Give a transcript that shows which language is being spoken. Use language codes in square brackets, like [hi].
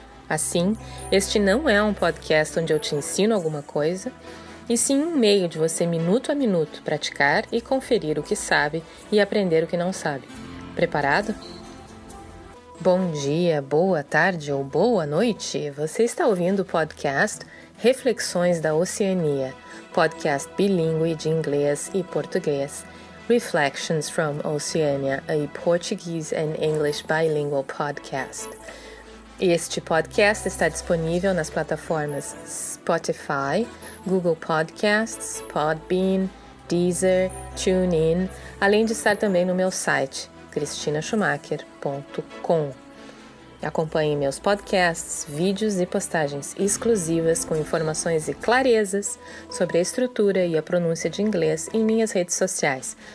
[pt] Assim, este não é um podcast onde eu te ensino alguma coisa, e sim um meio de você, minuto a minuto, praticar e conferir o que sabe e aprender o que não sabe. Preparado? Bom dia, boa tarde ou boa noite. Você está ouvindo o podcast Reflexões da Oceania, podcast bilíngue de inglês e português. [en] Reflections from Oceania, a Portuguese and English bilingual podcast. [pt] Este podcast está disponível nas plataformas Spotify, Google Podcasts, Podbean, Deezer, TuneIn, além de estar também no meu site, cristinaschumacher.com. Acompanhe meus podcasts, vídeos e postagens exclusivas com informações e clarezas sobre a estrutura e a pronúncia de inglês em minhas redes sociais.